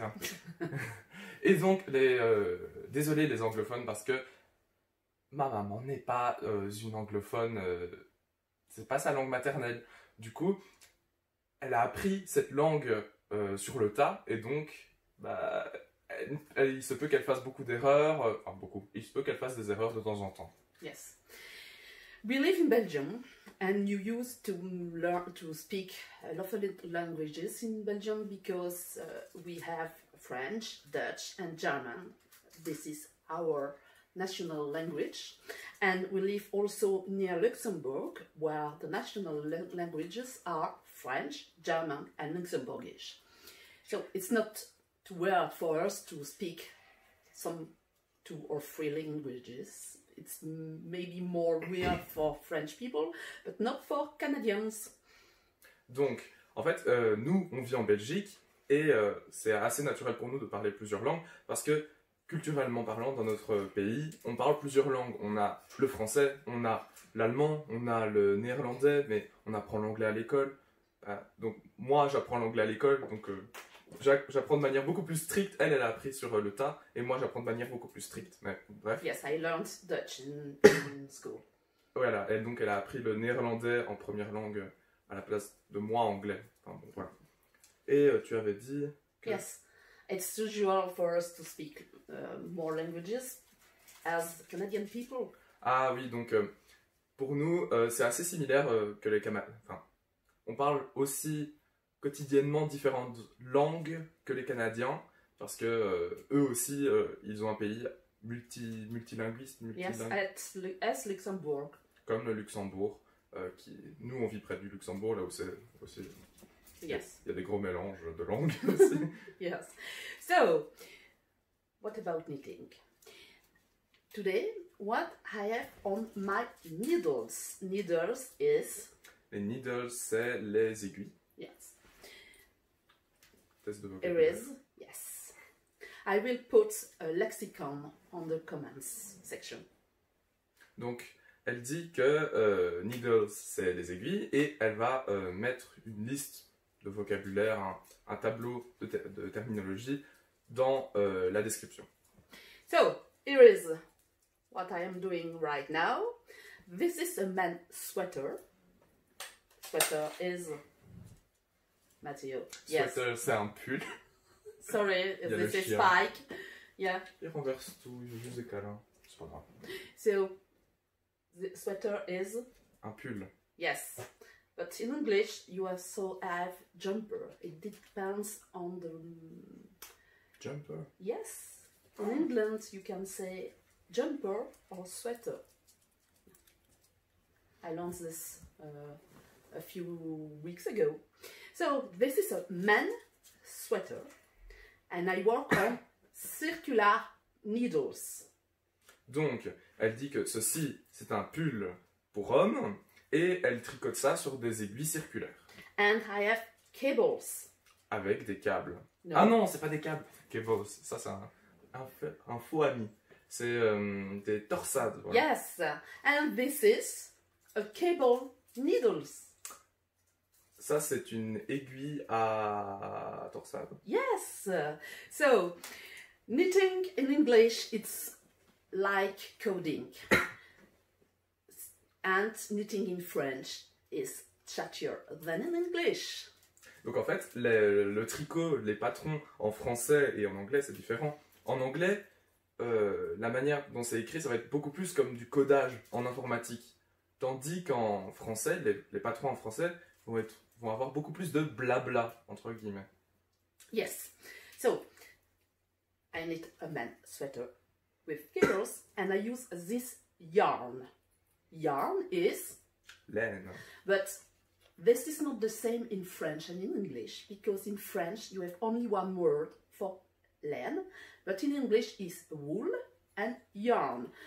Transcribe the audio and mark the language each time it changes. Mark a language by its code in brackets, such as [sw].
[fr] Hein. Et donc, désolé les anglophones, parce que ma maman n'est pas une anglophone, c'est pas sa langue maternelle. Du coup, elle a appris cette langue sur le tas, et donc, il se peut qu'elle fasse beaucoup d'erreurs, il se peut qu'elle fasse des erreurs de temps en temps. [en] Yes. We live in Belgium. And you used to learn to speak a lot of languages in Belgium because we have French, Dutch and German. This is our national language. And we live also near Luxembourg, where the national languages are French, German and Luxembourgish. So it's not too weird for us to speak some two or three languages. It's maybe more weird for French people, but not for Canadians. [fr] Donc, en fait, nous, on vit en Belgique, et c'est assez naturel pour nous de parler plusieurs langues, parce que, culturellement parlant, dans notre pays, on parle plusieurs langues. On a le français, on a l'allemand, on a le néerlandais, mais on apprend l'anglais à l'école. Donc, moi, j'apprends l'anglais à l'école, donc j'apprends de manière beaucoup plus stricte. Elle a appris sur le tas, et moi j'apprends de manière beaucoup plus stricte. Mais bref. [en] Yes, I learned Dutch in school. [fr] Voilà, et donc elle a appris le néerlandais en première langue à la place de moi anglais. Enfin bon, voilà. Et tu avais dit que... [en] Yes, it's usual for us to speak more languages as Canadian people. [fr] Ah oui, donc pour nous c'est assez similaire que les Canadiens. Enfin, on parle aussi quotidiennement différentes langues que les Canadiens, parce que eux aussi, ils ont un pays multilinguiste. [en] Yes, at Luxembourg. [fr] Comme le Luxembourg. Nous, on vit près du Luxembourg, là où c'est aussi... Yes. Il y a des gros mélanges de langues aussi. [en] Yes. So, what about knitting? Today, what I have on my needles. Needles is... [fr] Les needles, c'est les aiguilles. [en] Yes. [fr] Test de [en] vocabulaire. It is, yes. I will put a lexicon on the comments section. [fr] Donc, elle dit que needles, c'est les aiguilles, et elle va mettre une liste de vocabulaire, un tableau de terminologie dans la description. [en] So, here is what I am doing right now. This is a man's sweater. Sweater is... Matteo, yes. [fr] Sweater, c'est un pull. [en] Sorry, this is Spike. Yeah. [fr] Il renverse tout, il joue des câlins. C'est pas grave. [en] So, the sweater is... [fr] Un pull. [en] Yes. But in English, you also have jumper. It depends on the... Jumper? Yes. In England, you can say jumper or sweater. I learned this a few weeks ago. So, this is a man's sweater, and I work on circular needles. [fr] Donc, elle dit que ceci, c'est un pull pour homme, et elle tricote ça sur des aiguilles circulaires. [en] And I have cables. [fr] Avec des câbles. Non. Ah non, c'est pas des câbles. Kebos, ça c'est un faux ami. C'est des torsades. [en] Voilà. Yes, and this is a cable needles. [fr] Ça c'est une aiguille à torsade. [en] Yes, so knitting in English it's like coding. And knitting in French is chatter than in English. [fr] Donc en fait, le tricot, les patrons en français et en anglais, c'est différent. En anglais, la manière dont c'est écrit, ça va être beaucoup plus comme du codage en informatique. Tandis qu'en français, les patrons en français vont avoir beaucoup plus de blabla, entre guillemets. [en] Yes. So, I knit a man sweater with cables and I use this yarn. Yarn is [fr] laine. [en] But this is not the same in French and in English, because in French you have only one word for laine, but in English is wool and yarn.